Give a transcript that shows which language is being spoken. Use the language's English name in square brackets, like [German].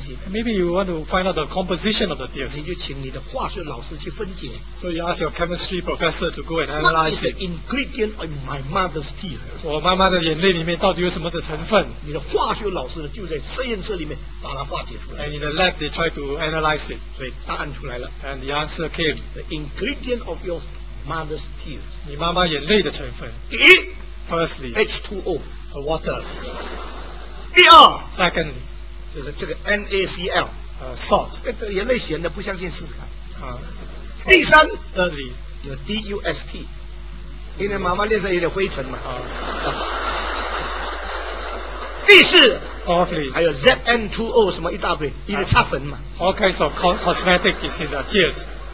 [English] maybe you want to find out the composition of the tears. [Chinese] 你就请你的化学老师去分解, [English] so you ask your chemistry professor to go and analyze it. Ingredient of my mother's tears. [Chinese] 我妈妈的眼泪里面到底有什么的成分? 你的化学老师就在实验室里面把它化解出来, [English] and in the lab they try to analyze it. [Chinese] 所以答案出来了, [English] and the answer came. The ingredient of your mother's tears. [Chinese] 你妈妈眼泪的成分, [English] firstly, H2O, the water. [Chinese] 第二, [English] secondly, [Chinese] 就是这个 NaCl, [English] salt. [Chinese] 这眼泪咸的不相信试试看, [English] salt. [Chinese] 第三, [English] thirdly, [Chinese] 有 DUST, 因为妈妈脸上有点灰尘嘛, 第四, [English] fourthly, [Chinese] 还有 ZN2O 什么一大堆, 因为擦粉嘛, [English] all kinds of cosmetic is in the tears.